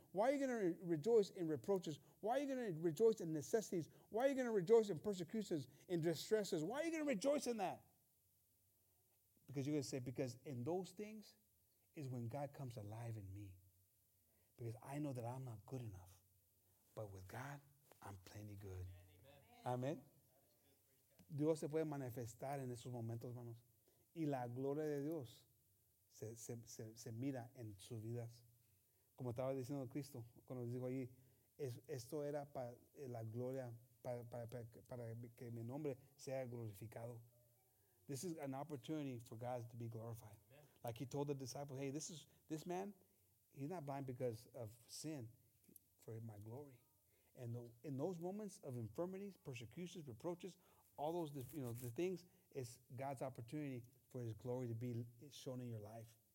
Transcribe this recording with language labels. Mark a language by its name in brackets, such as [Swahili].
[English] Why are you going to rejoice in reproaches? Why are you going to rejoice in necessities? Why are you going to rejoice in persecutions, in distresses? Why are you going to rejoice in that? Because you're going to say, because in those things is when God comes alive in me. Because I know that I'm not good enough. But with God, I'm plenty good. Amen. Amen. [Spanish] Dios se puede manifestar en esos momentos, hermanos. Y la gloria de Dios se mira en sus vidas. Como estaba diciendo Cristo, cuando dijo ahí, esto era para la gloria, para que mi nombre sea glorificado. [English] This is an opportunity for God to be glorified. Amen. Like he told the disciples, hey, this man, he's not blind because of sin, for my glory. And in those moments of infirmities, persecutions, reproaches, all those, you know, the things, it's God's opportunity for his glory to be shown in your life.